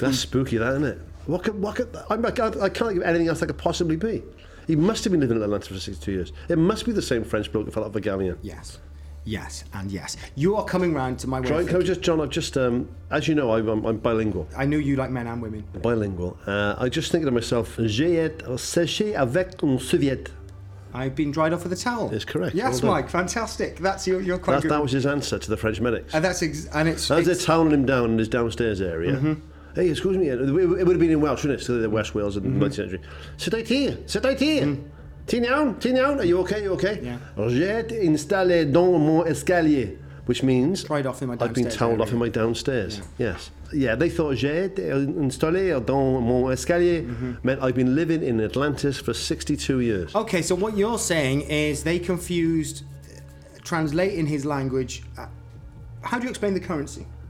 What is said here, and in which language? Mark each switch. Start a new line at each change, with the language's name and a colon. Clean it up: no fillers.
English: That's spooky, that, isn't it? I can't think of anything else that could possibly be. He must have been living in Atlantis for 62 years. It must be the same French bloke that fell out of a galleon. Yes. Yes, and yes. You are coming round to my way. Can I just, John, I've just, as you know, I'm bilingual. I knew you like men and women. Bilingual.
French: I just think to myself, j'ai été séché avec une serviette.
English: I've been dried off with a towel. That's correct. Yes, well, Mike, fantastic. That's your quite that was his answer to the French medics. And that's and it's. As they're toweling him down in his downstairs area. Mm-hmm. Hey, excuse me, it would have been in Welsh, wouldn't it? So the West Wales and the 19th century. Sit right here, sit right here. Tien down, are you okay, Yeah.
French: J'ai été installé dans mon escalier,
English: which means... Tried off in my downstairs. I've been towelled off in my downstairs, yeah. Yes. Yeah, they thought
French: j'ai été installé dans mon escalier
English: meant I've been living in Atlantis for 62 years. Okay, so what you're saying is they confused translating his language. How do you explain the currency?